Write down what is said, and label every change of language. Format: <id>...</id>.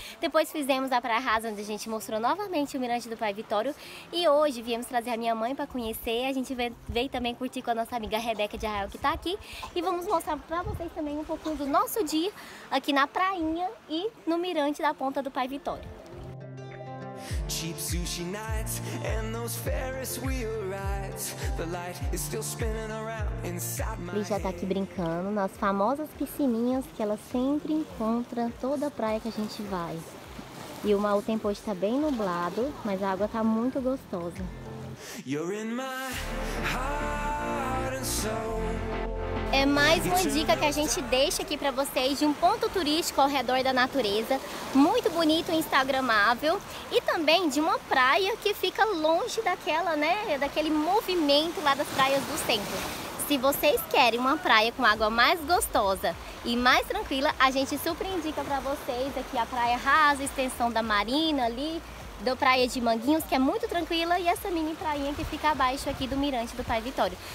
<pt>Depois fizemos a Praia Rasa, onde a gente mostrou novamente o Mirante do Pai Vitório. E hoje viemos trazer a minha mãe pra conhecer. A gente veio também curtir com a nossa amiga Rebeca de Arraial, que tá aqui. E vamos mostrar pra vocês também um pouquinho do nosso dia aqui na prainha e no Mirante da Ponta do Pai Vitório.</pt> <en>Cheap sushi nights and those Ferris wheel rides. The light is still spinning around inside my head.</en> <pt>Ele já tá aqui brincando nas famosas piscininhas que ela sempre encontra toda a praia que a gente vai. E o mau tempo hoje tá bem nublado, mas a água tá muito gostosa.</pt> <en>You're in my heart and soul.</en> <pt>É mais uma dica que a gente deixa aqui para vocês de um ponto turístico ao redor da natureza, muito bonito, instagramável, e também de uma praia que fica longe daquela, né, daquele movimento lá das praias do centro. Se vocês querem uma praia com água mais gostosa e mais tranquila, a gente super indica para vocês aqui a Praia Rasa, extensão da Marina ali, da Praia de Manguinhos, que é muito tranquila, e essa mini prainha que fica abaixo aqui do Mirante do Pai Vitório.</pt>